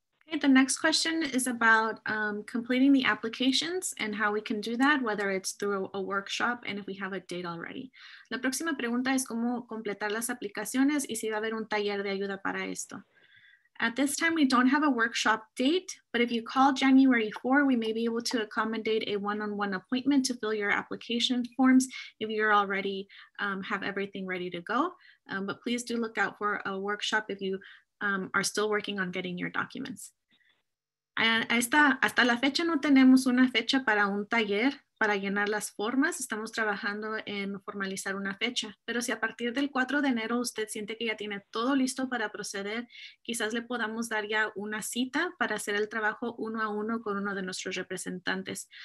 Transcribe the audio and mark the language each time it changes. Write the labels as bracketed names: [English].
[English] Okay, the next question is about completing the applications and how we can do that, whether it's through a workshop and if we have a date already. [Spanish] La próxima pregunta es cómo completar las aplicaciones y si va a haber un taller de ayuda para esto. [English] At this time, we don't have a workshop date, but if you call January 4, we may be able to accommodate a one-on-one appointment to fill your application forms if you're already have everything ready to go. But please do look out for a workshop if you are still working on getting your documents. [Spanish] Hasta la fecha no tenemos una fecha para un taller para llenar las formas. Estamos trabajando en formalizar una fecha. Pero si a partir del 4 de enero usted siente que ya tiene todo listo para proceder, quizás le podamos dar ya una cita para hacer el trabajo uno a uno con uno de nuestros representantes.